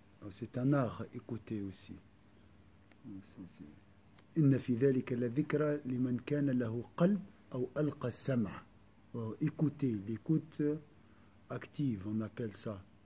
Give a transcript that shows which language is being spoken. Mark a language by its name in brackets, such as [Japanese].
[French] C'est un art, écouter aussi. [Arabic] إن في ذلك لذكرى لمن كان له قلب أو ألقى السمع. [French] Écoutez, l'écoute active, on appelle ça.